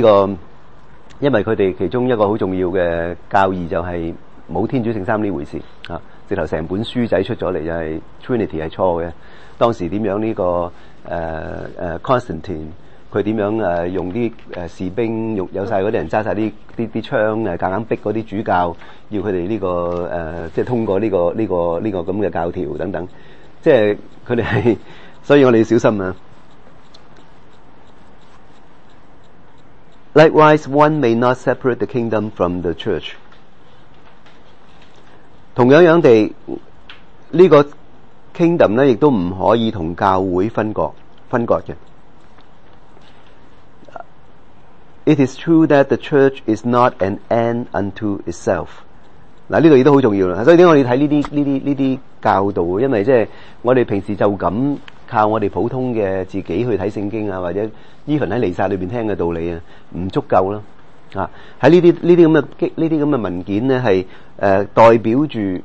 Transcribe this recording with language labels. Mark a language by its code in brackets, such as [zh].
[zh] 這個因為他們其中一個很重要的教義就是沒有天主聖三這回事，直頭整本書仔出來就是 Trinity 是錯的，當時怎樣這個Constantine 他怎樣用一些士兵有那些人拿那些槍硬硬逼那些主教要他們這個即通過這個教條等等，即是他們是，所以我們要小心啊。 [en] Likewise, one may not separate the kingdom from the church. [zh] 同樣樣地，這個 kingdom 亦都不可以跟教會分割的。 [en] It is true that the church is not an end unto itself. [zh] 這裡也很重要，所以為什麼我們看這些教導，因為即我們平時就這樣靠我們普通的自己去看聖經，或者 [en] even [zh] 在彌撒裡面聽的道理不足夠，在這些文件是代表著